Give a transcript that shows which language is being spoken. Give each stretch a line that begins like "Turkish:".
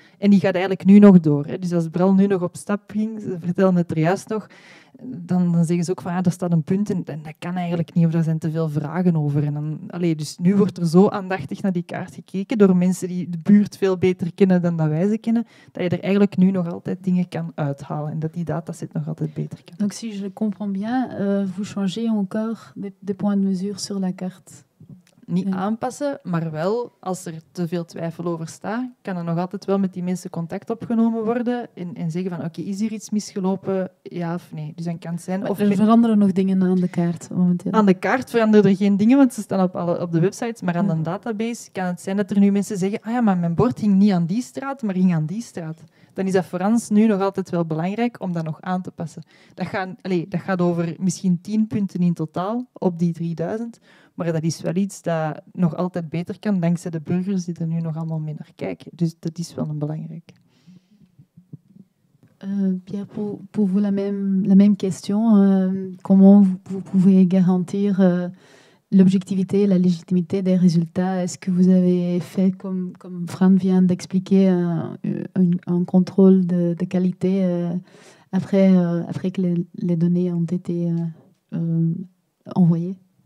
Dutch: En die gaat eigenlijk nu nog door. Hè. Dus als Brel nu nog op stap ging, ze vertelden het er juist nog, dan zeggen ze ook van, ja, daar staat een punt in. En dat kan eigenlijk niet, of daar zijn te veel vragen over. En dan, allee, dus nu wordt er zo aandachtig naar die kaart gekeken, door mensen die de buurt veel beter kennen dan dat wij ze kennen, dat je er eigenlijk nu nog altijd dingen kan uithalen. En dat die dataset nog altijd beter kan.
French: Donc, si je le comprends bien, vous changez encore des points de mesure sur la carte.
Dutch: Niet aanpassen, maar wel, als er te veel twijfel over staat, kan er nog altijd wel met die mensen contact opgenomen worden en zeggen van, oké, is hier iets misgelopen? Ja of nee? Dus dan kan het zijn... Of er veranderen nog dingen aan de kaart momenteel. Aan de kaart veranderen er geen dingen, want ze staan op de website, maar aan een database kan het zijn dat er nu mensen zeggen, ah ja, maar mijn bord hing niet aan die straat, maar hing aan die straat. Dan is dat voor ons nu nog altijd wel belangrijk om dat nog aan te passen. Dat gaat over misschien 10 punten in totaal op die 3000, maar dat is wel iets dat nog altijd beter kan, dankzij de burgers die er nu nog allemaal mee naar kijken. Dus dat is wel een belangrijk.
French: Pierre, pour vous la même question. Comment vous pouvez garantir l'objectivité et la légitimité des résultats? Est-ce que vous avez fait, comme Fran vient d'expliquer, un contrôle de qualité après que les données ont été envoyées?